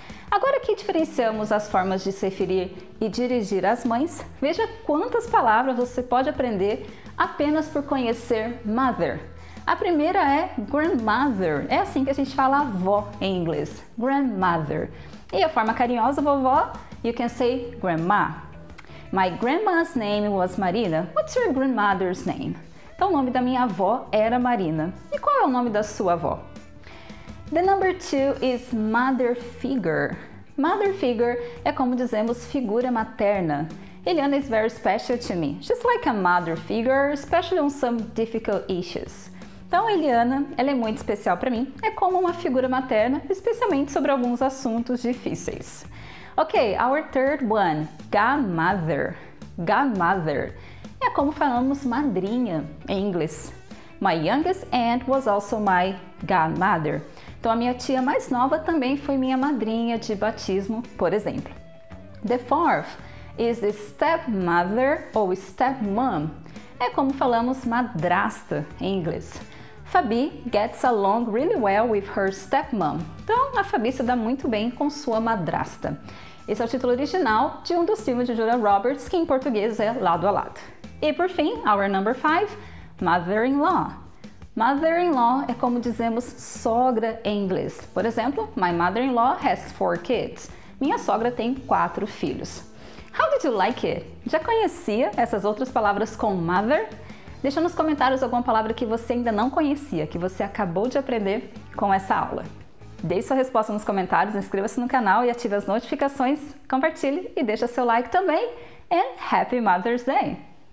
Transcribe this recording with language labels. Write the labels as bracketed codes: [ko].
[pt] Agora que diferenciamos as formas de se referir e dirigir às mães, veja quantas palavras você pode aprender apenas por conhecer mother. A primeira é grandmother. É assim que a gente fala avó em inglês, grandmother. E a forma carinhosa, vovó, [en] you can say grandma. My grandma's name was Marina. What's your grandmother's name? [pt] Então, o nome da minha avó era Marina. E qual é o nome da sua avó? [en] The number two is mother figure. [pt] Mother figure é como dizemos figura materna. [en] Eliana is very special to me. She's like a mother figure, especially on some difficult issues. [pt] Então, Eliana, ela é muito especial para mim. É como uma figura materna, especialmente sobre alguns assuntos difíceis. [en] Ok, our third one, godmother. [pt] Godmother é como falamos madrinha em inglês. [en] My youngest aunt was also my godmother. [pt] Então, a minha tia mais nova também foi minha madrinha de batismo, por exemplo. [en] The fourth is stepmother ou stepmom. [pt] É como falamos madrasta em inglês. [en] Fabi gets along really well with her stepmom. [pt] Então, a Fabi se dá muito bem com sua madrasta. Esse é o título original de um dos filmes de Julia Roberts, que em português é Lado a Lado. E por fim, [en] our number five, [pt] mother-in-law. Mother-in-law é como dizemos sogra em inglês. Por exemplo, [en] my mother-in-law has four kids. [pt] Minha sogra tem quatro filhos. [en] How did you like it? [pt] Já conhecia essas outras palavras com mother? Deixa nos comentários alguma palavra que você ainda não conhecia, que você acabou de aprender com essa aula. Deixe sua resposta nos comentários, inscreva-se no canal e ative as notificações, compartilhe e deixe seu like também. [en] And Happy Mother's Day!